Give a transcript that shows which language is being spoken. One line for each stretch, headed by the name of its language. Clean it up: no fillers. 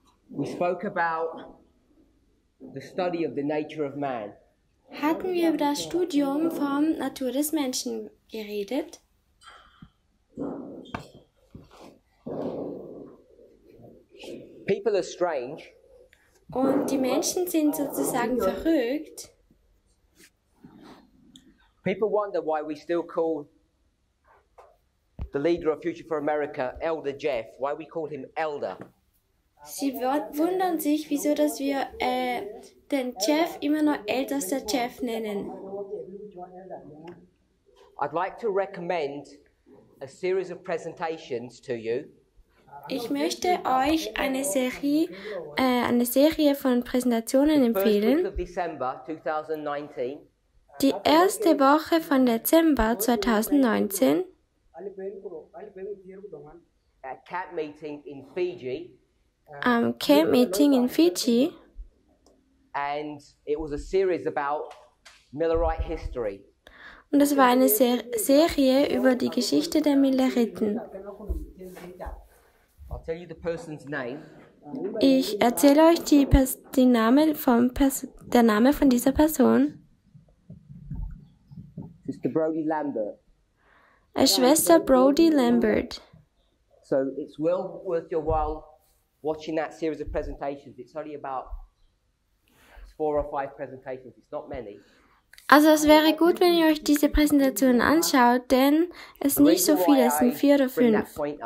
English: we spoke about the study of the nature of man.
German: Hatten wir über das Studium vom Natur des Menschen geredet?
English: People are strange.
German: Und die Menschen sind sozusagen verrückt.
English: People wonder why we still call the leader of Future for America, Elder Jeff, why we call him Elder.
German: Sie wundern sich, wieso dass wir den Jeff immer noch ältester Jeff nennen.
English: I'd like to recommend a series of presentations to you.
German: Ich möchte euch eine Serie von Präsentationen empfehlen. Die erste Woche von Dezember 2019.
English: Camp Meeting in Fiji. And it was a series about Milleraite history.
German: Und es war eine Serie über die Geschichte der Milleriten.
English: I'll tell you the person's name.
German: Ich erzähle euch den Namen von dieser Person.
English: Sister Brodie Lambert.
German: Schwester Brodie Lambert.
English: So it's well worth your while watching that series of presentations. It's only about 4 or 5 presentations. It's not many.
German: Also es wäre gut, wenn ihr euch diese Präsentation anschaut, denn es ist nicht so viel, es sind 4 oder 5.